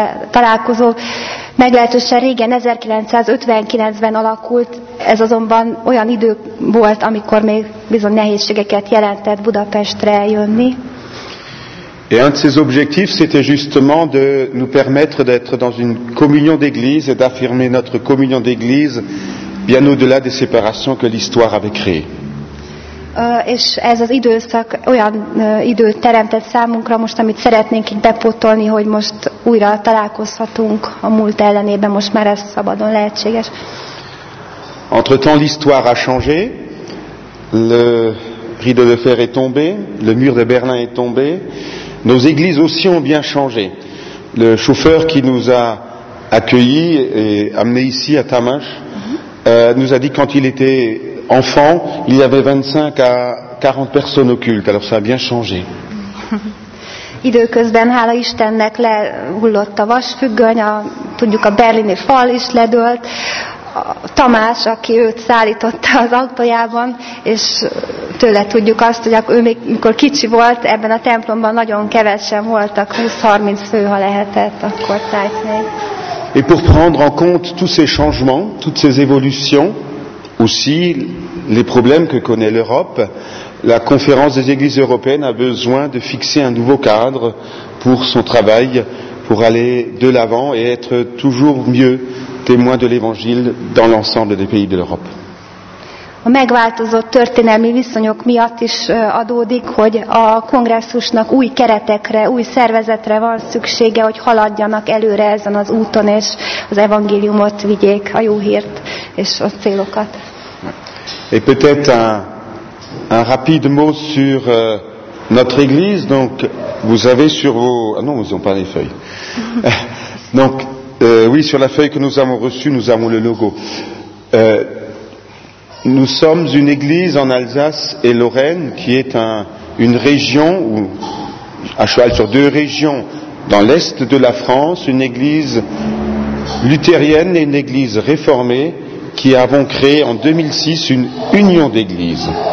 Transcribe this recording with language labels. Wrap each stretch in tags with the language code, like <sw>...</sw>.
<hu>Találkozó meglehetősen régen 1959-ben alakult, ez azonban olyan idő volt, amikor még bizony nehézségeket jelentett Budapestre jönni.</hu> <fr>Et un de ses objectifs, c'était justement de nous permettre d'être dans une communion d'église et d'affirmer notre communion d'église bien au-delà des séparations que l'histoire avait créées.</fr> <hu>És ez az időszak olyan időt teremtett számunkra most, amit szeretnénk így bepótolni, hogy most újra találkozhatunk a múlt ellenében, most már ez szabadon lehetséges.</hu> <fr>Entre-temps, l'histoire a changé. Le rideau de fer est tombé, le mur de Berlin est tombé. Nos églises aussi ont bien changé. Le chauffeur qui nous a accueillis et amenés ici à Tamás nous a dit quand il était enfant, il y avait 25 à 40 personnes occultes. Alors ça a bien changé.</fr> <hu>Időközben, hála Istennek, lehullott a vasfüggöny, tudjuk, a berlini fal is ledőlt. Tamás, aki őt szállította az autójában, és tőle tudjuk azt, hogy ő még mikor kicsi volt, ebben a templomban nagyon kevesen voltak, 20-30 fő, ha lehetett, akkor tájt még.</hu> <fr>Et pour prendre en compte tous ces changements, toutes ces évolutions, aussi les problèmes que connaît l'Europe, la conférence des églises européennes a besoin de fixer un nouveau cadre pour son travail, pour aller de l'avant et être toujours mieux témoin de l'évangile dans l'ensemble des pays de l'Europe.</fr> <hu>A megváltozott történelmi viszonyok miatt is adódik, hogy a kongresszusnak új keretekre, új szervezetre van szüksége, hogy haladjanak előre ezen az úton, és az evangéliumot vigyék, a jó hírt és a célokat.</hu> <fr>Et peut-être un rapide mot sur notre église. Donc vous avez sur vos... Ah non, ils n'ont pas les feuilles. Donc oui, sur la feuille que nous avons reçue, nous avons le logo. Nous sommes une église en Alsace et Lorraine, qui est une région, où, à cheval sur deux régions, dans l'est de la France, une église luthérienne et une église réformée, qui avons créé en 2006 une union d'églises.</fr>